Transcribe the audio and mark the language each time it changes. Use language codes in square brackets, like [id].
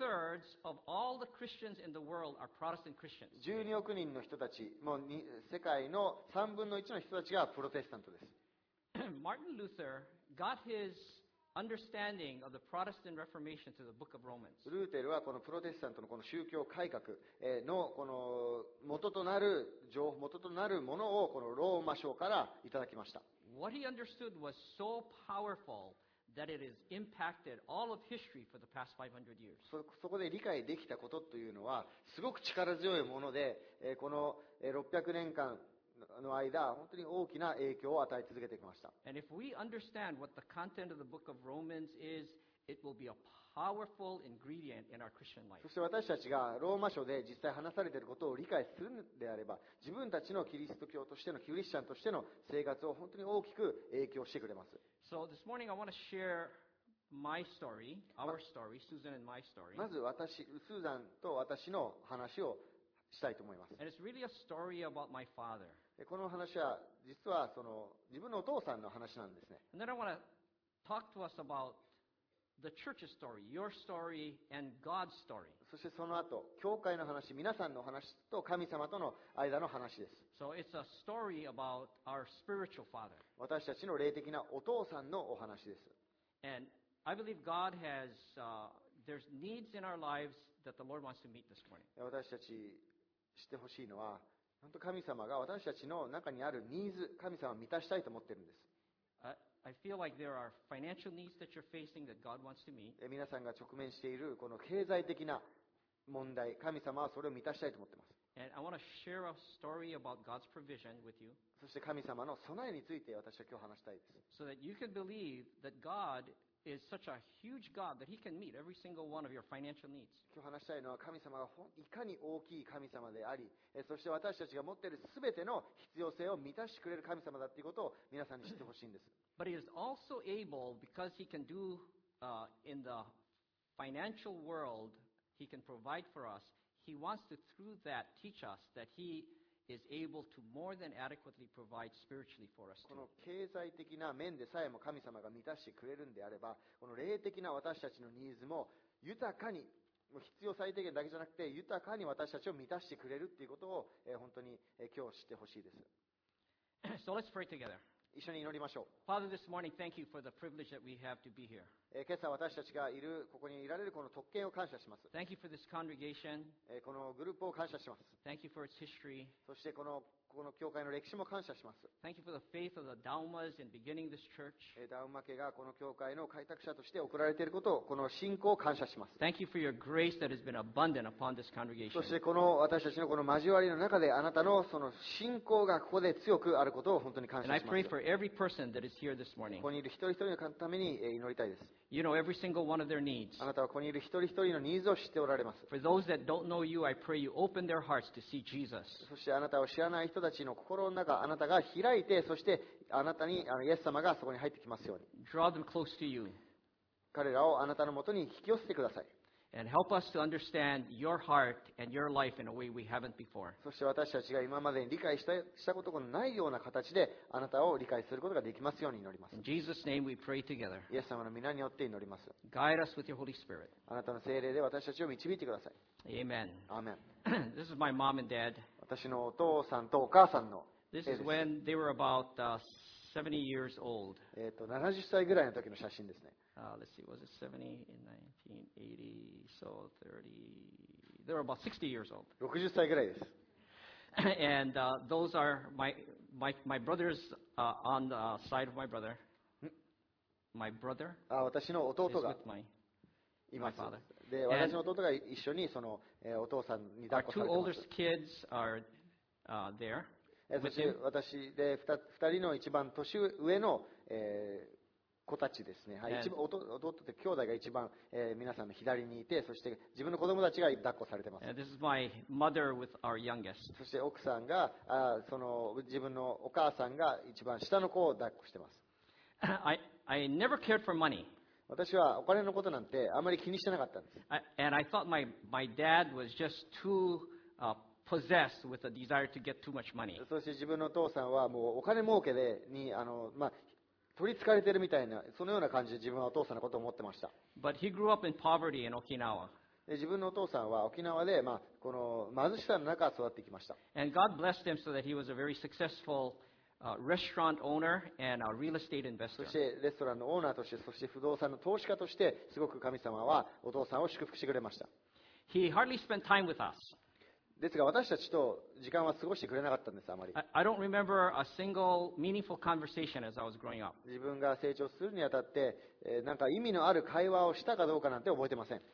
[en] 2/3 of all the Christians in the world are Protestant Christians. [ja] 12億人の人たち、もう世界の3分の1の人たちがプロテスタントです。 [en] Martin Luther got his understanding of the Protestant Reformation through the book of Romans. [ja] ルーテルはこのプロテスタントのこの宗教改革のこの元となる情報、元となるものをこのローマ書からいただきました。 [en] What he understood was so powerful that it has impacted all of history for the past 500 years. [ja] そこで理解できたことというのはすごく力強いもので、この600年間の間本当に大きな影響を与え続けてきました。 [en] And if we understand what the content of the book of Romans is, it will be a powerful ingredient in our Christian life. [ja] そして私たちがローマ書で実際話されていることを理解するのであれば、自分たちのキリスト教としてのキリスチャンとしての生活を本当に大きく影響してくれます。 [en] So this morning I want to share my story, our story, Susan and my story. [ja] まず私、スーザンと私の話をしたいと思います。 [en] And it's really a story about my father. [ja] この話は実はその自分のお父さんの話なんですね。 [en] And then I want to talk to us about the church's story, your story, and God's story. [ja] そしてその後、教会の話、皆さんの話と神様との間の話です。 [en] So it's a story about our spiritual father. [ja] 私たちの霊的なお父さんのお話です。 [en] And I believe God has there's needs in our lives that the Lord wants to meet this morning. [ja] 私たち知ってほしいのは、本当神様が私たちの中にあるニーズ、神様を満たしたいと思っているんです。 [en] I feel like there are financial needs that you're facing that God wants to meet. [ja] 皆さんが直面しているこの経済的な問題、神様はそれを満たしたいと思っています。 [en] And I want to share a story about God's provision with you. [ja] そして神様の備えについて私は今日話したいです。 [en] So that you can believe that God is such a huge God that He can meet every single one of your financial needs. [ja] 今日話したいのは神様がいかに大きい神様であり、そして私たちが持っているすべての必要性を満たしてくれる神様だということを皆さんに知ってほしいんです。 [en] But He is also able because He can do in the financial world, He can provide for us. He wants to through that teach us that He is able to more than adequately provide spiritually for us. [ja] この経済的な面でさえも神様が満たしてくれるんであれば、この霊的な私たちのニーズも豊かに、もう必要最低限だけじゃなくて豊かに私たちを満たしてくれるっていうことを本当に今日知ってほしいです。 [en] So let's pray together. [ja] 一緒に祈りましょう。 [en] Father, this morning, thank you for the privilege that we have to be here. [ja] 今朝私たちがいるここにいられるこの特権を感謝します。 [en] Thank you for this congregation. [ja] このグループを感謝します。 [en] Thank you for its history. [ja] そしてこの教会の歴史も感謝します。 [en] Thank you for the faith of the Daumas in beginning this church. [ja] ダウマ家がこの教会の開拓者として送られていることをこの信仰を感謝します。 [en] Thank you for your grace that has been abundant upon this congregation. [ja] そしてこの私たちのこの交わりの中であなたのその信仰がここで強くあることを本当に感謝します。 [en] And I pray for every person that is here this morning. [ja] ここにいる一人一人のために祈りたいです。 [en] You know every single one of their needs. [ja] あなたはここにいる一人一人のニーズを知っておられます。 [en] For those that don't know you, I pray you open their hearts to see Jesus. [ja] そしてあなたを知らない人たちの心の中あなたが開いてそしてあなたにイエス様がそこに入ってきますように [en] Draw them close to you. [ja] 彼らをあなたのもとに引き寄せてください。 [en] And help us to understand your heart and your life in a way we haven't before. [ja] そして私たちが今までに理解したことがないような形であなたを理解することができますように祈ります。 [en] In Jesus' name we pray together. [ja] イエス様の名によって祈ります。 [en] Guide us with your Holy Spirit. [ja] あなたの聖霊で私たちを導いてください。 [en] Amen. Amen. This is my mom and dad. [ja] 私のお父さんとお母さんの絵です。 [en] This is when they were about 70 years old. [ja] 70歳ぐらいの時の写真ですね。 [en] Let's see, was it 70 in 1980? So 30. They were about 60 years old. [ja] 60歳ぐらいです。 [en] And those are my brothers on the side of my brother. My brother. [ja] 私の弟がいます。 [en] My father. [ja] で、私の弟が一緒にそのお父さんに抱っこされてます。 [en] Our two oldest kids are there. [ja] そして私で2人の一番年上の、子たちですね、はい、弟兄弟が一番、皆さんの左にいてそして自分の子供たちが抱っこされています。 [en] This is my mother with our youngest. [ja] そして奥さんがその自分のお母さんが一番下の子を抱っこしています。 [en] I never cared for money. [ja] 私はお金のことなんてあまり気にしてなかったんです。 [en] And I thought my dad was just too possessed with a desire to get too much money. [ja] そして自分の父さんはもうお金儲けでに取り憑かれてるみたいなそのような感じで自分はお父さんのことを思ってました。 [en] But he grew up in poverty in Okinawa. [ja] 自分のお父さんは沖縄でこの貧しさの中育ってきました。 [en] And God blessed him so that he was a very successful restaurant owner and a real estate investor. [ja] そしてレストランのオーナーとしてそして不動産の投資家としてすごく神様はお父さんを祝福してくれました。 [en] He hardly spent time with us. [ja] ですが私たちと時間は過ごしてくれなかったんです、あまり。 [en] I don't remember a single meaningful conversation as I was growing up. [ja] 自分が成長するにあたって、なんか意味のある会話をしたかどうかなんて覚えてません。